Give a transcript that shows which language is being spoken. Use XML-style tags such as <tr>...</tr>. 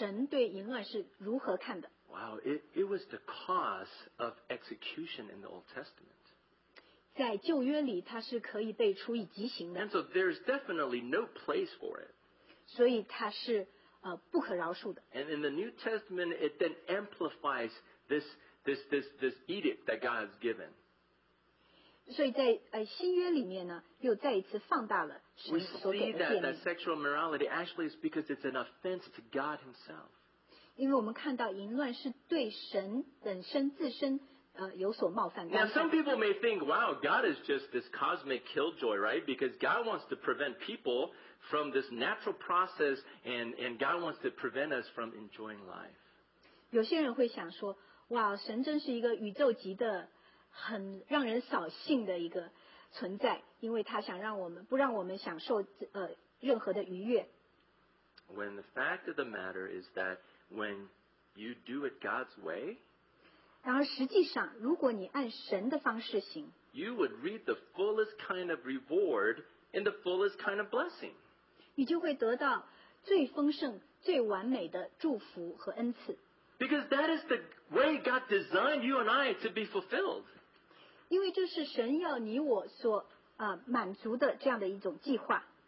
<en>Wow, it was the cause of execution in the Old Testament.</en> <zh>在旧约里, 它是可以被处以极刑的。</zh> <en>And so there's definitely no place for it.</en> <zh>所以它是, 不可饶恕的。</zh> <en>And in the New Testament, it then amplifies this edict that God has given.</en> <zh>所以在, 新约里面呢, 又再一次放大了神所给的诫命。</zh> <en>We see that sexual immorality actually is because it's an offense to God himself.</en> <zh>因为我们看到淫乱是对神本身自身,</zh> <en>Now some people may think, wow, God is just this cosmic killjoy, right? Because God wants to prevent people from this natural process and God wants to prevent us from enjoying life.</en> <zh>有些人会想说, 哇, 神真是一个宇宙级的很让人扫兴的一个存在, 因为他想让我们, 不让我们享受, 任何的愉悦。</zh> <en>When the fact of the matter is that when you do it God's way,</en> <zh>然而实际上, 如果你按神的方式行,</zh> <en>you would reap the fullest kind of reward and the fullest kind of blessing.</en> <zh>你就会得到最丰盛, 最完美的祝福和恩赐。</zh> <en>Because that is the way God designed you and I to be fulfilled.</en> <zh>因为这是神要你我所, 满足的这样的一种计划。</zh>